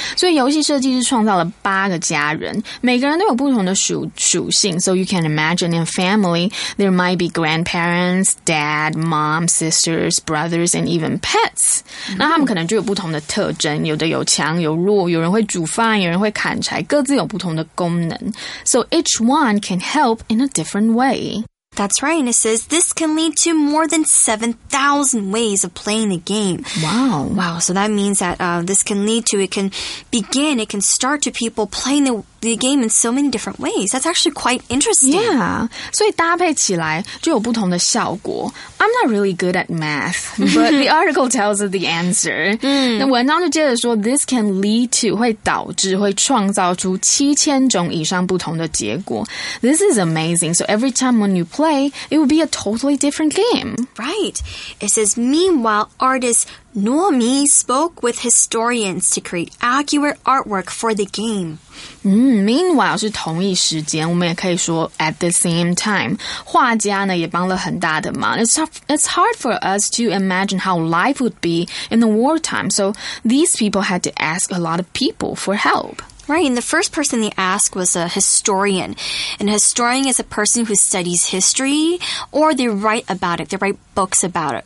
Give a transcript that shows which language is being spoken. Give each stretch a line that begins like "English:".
Chinese: 所以游戏设计是创造了8个家人，每个人都有不同的属性。
English: So you can imagine in family, there might be grandparents, dad, mom, sisters, brothers, and even pets.
Chinese: 那他们可能就有不同的特征，有的有强有弱，有人会煮饭，有人会砍柴，各自有不同的功能。
English: So each one can help in a different way. That's right, and it says this can lead to more than 7,000 ways of playing the game. Wow. Wow, so that means that this can lead to, it can begin, it can start to people playing the game in so many different ways. That's actually quite interesting. Yeah,
Chinese: 所以搭配起来就有不同的效果。
English: I'm not really good at math, but the article tells us the answer.
Chinese: 那文章就接着说
English: this can lead to,
Chinese: 会导致会创造出7000种以上不同的结果。
English: This is amazing. So every time when you play, it would be a totally different game. Right. It says, meanwhile, artist Nomi spoke with historians to create accurate artwork for the game.
Chinese: Meanwhile 是同一时间，我们也可以说
English: at the same time.
Chinese: 画家呢也帮了很大的忙。
English: It's hard for us to imagine how life would be in the wartime. So these people had to ask a lot of people for help. Right, and the first person they asked was a historian. And a historian is a person who studies history, or they write about it, they write books about it.